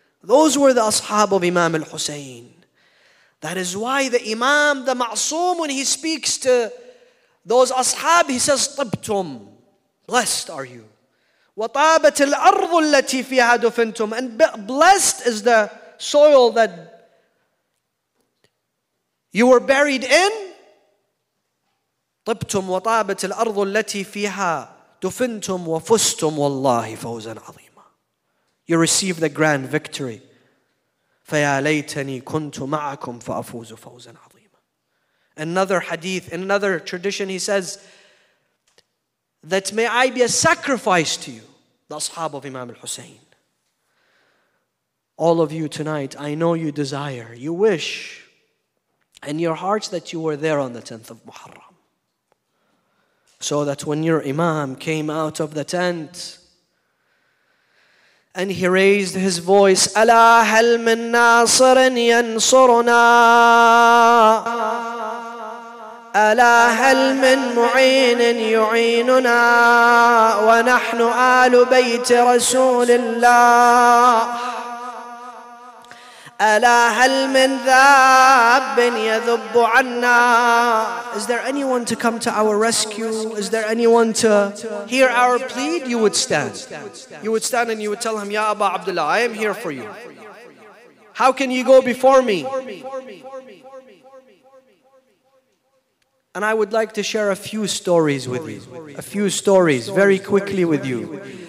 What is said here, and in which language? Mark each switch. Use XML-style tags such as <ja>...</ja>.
<en>Those were the ashab of Imam al-Hussein. That is why the Imam, the Ma'soom, when he speaks to those ashab, he says, Tibtum, blessed are you.</en> <ar>وَطَابَتِ الْأَرْضُ الَّتِي فِيهَا دُفِنْتُمْ</ar> <en>And blessed is the soil that you were buried in.</en> <ar>طِبْتُمْ وَطَابَتِ الْأَرْضُ الَّتِي فِيهَا دُفِنْتُمْ وَفُسْتُمْ وَاللَّهِ فَوْزًا عَظِيمًا</ar> <en>You receive the grand victory.</en> <ar>فَيَا لَيْتَنِي كُنْتُ مَعَكُمْ فَأَفُوزُ فَوْزًا عَظِيمًا</ar> <en>Another hadith, in another tradition, he says, that may I be a sacrifice to you, the ashab of Imam al-Hussein. All of you tonight, I know you desire, you wish in your hearts that you were there on the 10th of Muharram. So that when your imam came out of the tent and he raised his voice,</en> <ar>Ala hal min nasirin yansuruna. ألا هل من معين يعيننا ونحن آل بيت رسول الله ألا هل من ذاب يذب عنا</ar> <en>Is there anyone to come to our rescue? Is there anyone to hear our plea? You would stand. You would stand and you would tell him, Ya Aba Abdullah, I am here for you. How can you go before me? And I would like to share a few stories with you. A few stories very quickly with you.</en>